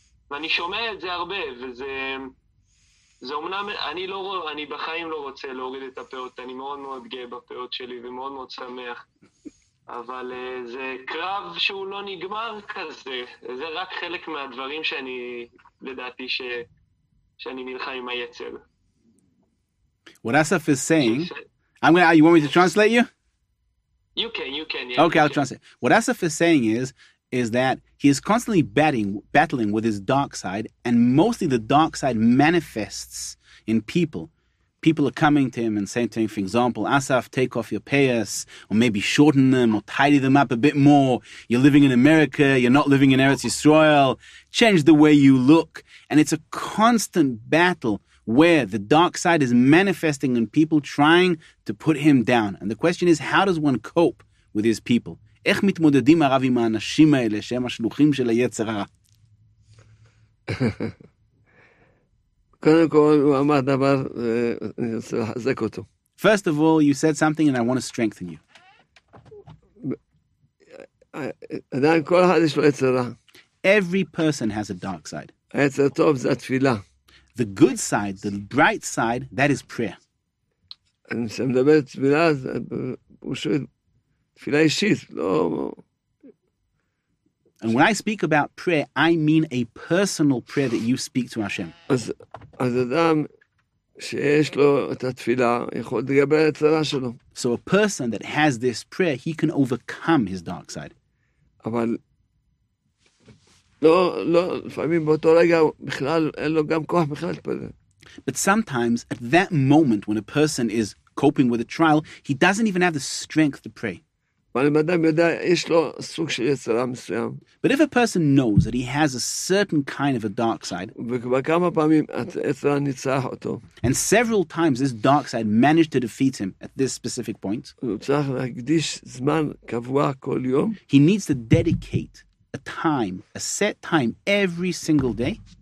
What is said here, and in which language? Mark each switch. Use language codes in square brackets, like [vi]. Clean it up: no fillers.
[he] ואני שומע את זה הרבה, וזה אמנם, אני בחיים לא רוצה להוריד את הפאות, אני מאוד מאוד גאה בפאות שלי ומאוד מאוד שמח, אבל זה קרב שהוא לא נגמר כזה, זה רק חלק מהדברים שאני, לדעתי, שאני נלחם עם היצר. [en] What Asaf is saying, I'm gonna, you want me to translate you? You can, yeah. Okay, I'll translate. What Asaf is saying is that he is constantly battling with his dark side, and mostly the dark side manifests in people. People are coming to him and saying to him, for example, Asaf, take off your payas, or maybe shorten them, or tidy them up a bit more. You're living in America, you're not living in Eretz Yisrael. Change the way you look. And it's a constant battle where the dark side is manifesting in people trying to put him down. And the question is, how does one cope with his people? [he] איך מתמודדים הרב עם האנשים האלה שהם השלוחים של היצר הרע? קודם כל, הוא אמר דבר, אני רוצה להחזק אותו. [en] First of all, you said something and I want to strengthen you. [he] עדיין כל אחד יש לו יצר רע. [en] Every person has a dark side. [he] היצר טוב זה התפילה. [en] The good side, the bright side, that is prayer. [he] אני מדבר תפילה, הוא שואל, תפילה אישית, לא... [en] And when I speak about prayer, I mean a personal prayer that you speak to Hashem. [he] אז אדם שיש לו את התפילה, יכול לגבר את הצרה שלו. [en] So a person that has this prayer, he can overcome his dark side. [he] אבל לא, לפעמים באותו רגע, בכלל, אין לו גם כוח בכלל להתפלל. [en] But sometimes, at that moment, when a person is coping with a trial, he doesn't even have the strength to pray. But if a person knows that he has a certain kind of a dark side, and several times this dark side managed to defeat him at this specific point, he needs to dedicate a time, a set time, every single day